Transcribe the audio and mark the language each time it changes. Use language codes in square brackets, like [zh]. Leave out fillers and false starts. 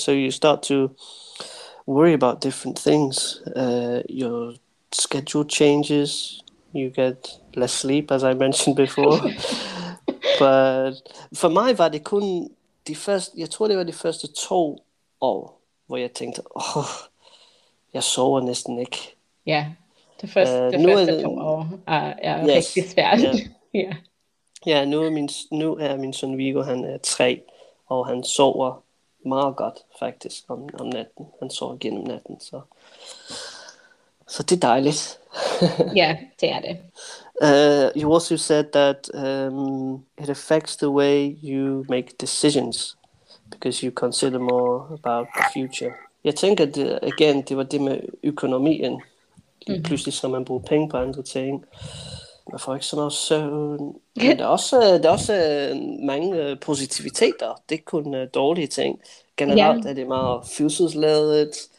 [en] So you start to worry about different things. Your schedule changes. You get less sleep, as I mentioned before. But for [da] mig var det kun de første, jeg tror det var de første 2 år, hvor jeg tænkte, åh, jeg sover næsten ikke. Ja, de første 2 år er rigtig svært. Ja, nu er min søn Vigo, han er 3, og han sover meget godt faktisk om natten. Han sover gennem natten, så det er dejligt. Ja, det er det. [en] You also said that it affects the way you make decisions because you consider more about the future. [da] Jeg tænker, igen, det var det med økonomien. Pludselig skal man bruge penge på andre ting. Man får ikke så meget søvn. Men der er også mange positiviteter. Det er kun dårlige ting. Generelt er det meget fysselsladet.